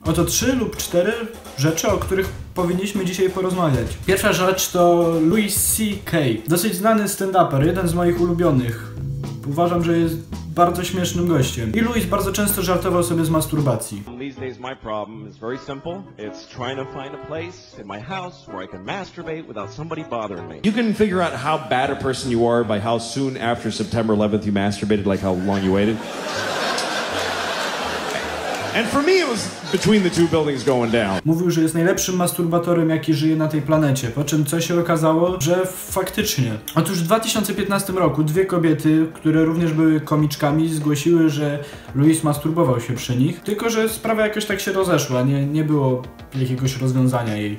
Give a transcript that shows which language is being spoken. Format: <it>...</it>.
<pl>oto trzy lub cztery rzeczy, o których powinniśmy dzisiaj porozmawiać. Pierwsza rzecz to Louis C.K. Dosyć znany stand-uper, jeden z moich ulubionych. Uważam, że jest bardzo śmiesznym gościem. I Louis bardzo często żartował sobie z masturbacji.</pl> <en>These days my problem is very simple. It's trying to find a place in my house where I can masturbate without somebody bothering me. You can figure out how bad a person you are by how soon after September 11th you masturbated, like how long you waited. And for me it was between the two buildings going down.</en> <pl>Mówił, że jest najlepszym masturbatorem, jaki żyje na tej planecie. Po czym co się okazało, że faktycznie. Otóż w 2015 roku dwie kobiety, które również były komiczkami, zgłosiły, że Louis masturbował się przy nich. Tylko że sprawa jakoś tak się rozeszła, nie było jakiegoś rozwiązania jej.</pl>